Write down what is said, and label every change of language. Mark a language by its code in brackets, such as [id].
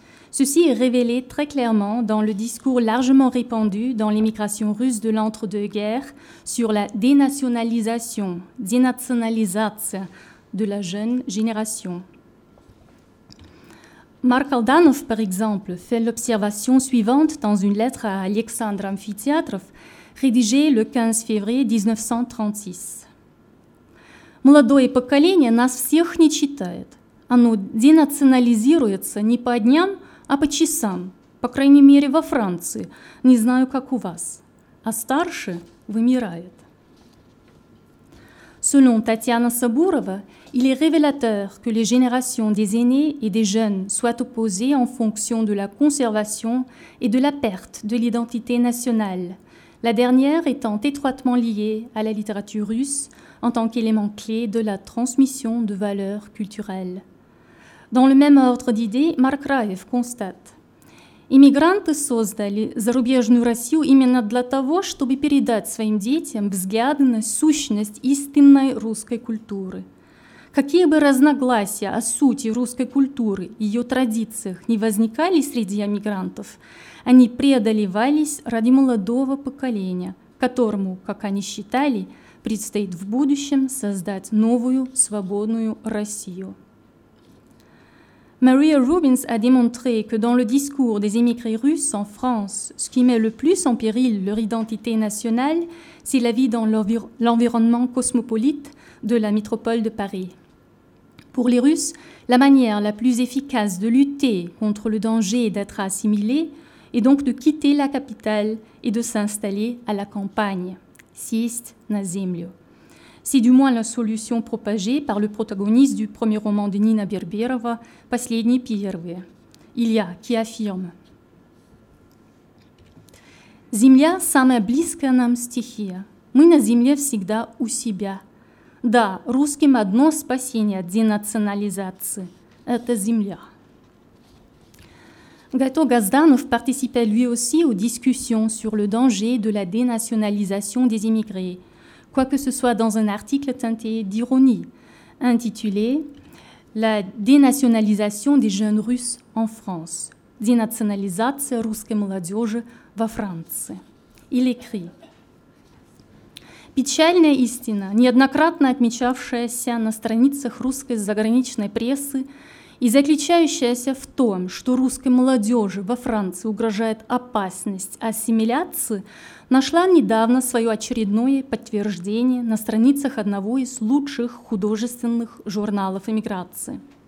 [fr] Ceci est révélé très clairement dans le discours largement répandu dans l'immigration russe de l'entre-deux-guerres sur la dénationalisation, dénationalisation de la jeune génération. Marc Aldanov, par exemple, fait l'observation suivante dans une lettre à Alexandr Amfitiatrov, rédigée le 15 février 1936. [ru] Молодое поколение нас всех не читает. Оно денационализируется не по дням, а по часам, по крайней мере во Франции, не знаю, как у вас. А старше вымирает. [fr] Selon Tatiana Saburova, il est révélateur que les générations des aînés et des jeunes soient opposées en fonction de la conservation et de la perte de l'identité nationale, la dernière étant étroitement liée à la littérature russe en tant qu'élément clé de la transmission de valeurs culturelles. Dans le même ordre d'idées, Марк Раев constate [ru] « Иммигранты создали зарубежную Россию именно для того, чтобы передать своим детям взгляды на сущность истинной русской культуры. Какие бы разногласия о сути русской культуры и ее традициях не возникали среди эмигрантов, они преодолевались ради молодого поколения, которому, как они считали, предстоит в будущем создать новую свободную Россию. [fr] Maria Rubins a démontré que dans le discours des émigrés russes en France, ce qui met le plus en péril leur identité nationale, c'est la vie dans l'environnement cosmopolite de la métropole de Paris. Pour les Russes, la manière la plus efficace de lutter contre le danger d'être assimilé est donc de quitter la capitale et de s'installer à la campagne. [ru] Сесть на землю. [fr] C'est du moins la solution propagée par le protagoniste du premier roman de Нина Берберова, Последний первый. Илья, qui affirme. [ru] Земля – самая близкая нам стихия. Мы на земле всегда у себя. Да, русским одно спасение от денационализации – это земля. [fr] Gato Gazdanov participait lui aussi aux discussions sur le danger de la dénationalisation des immigrés, quoique ce soit dans un article teinté d'ironie, intitulé « La dénationalisation des jeunes russes en France ». [ru] Dénationalisация русской молодежи во Франции. [fr] Il écrit. [ru] Печальная истина, неоднократно отмечавшаяся на страницах русской заграничной прессы и заключающаяся в том, что русской молодежи во Франции угрожает опасность ассимиляции, нашла недавно свое очередное подтверждение на страницах одного из лучших художественных журналов эмиграции.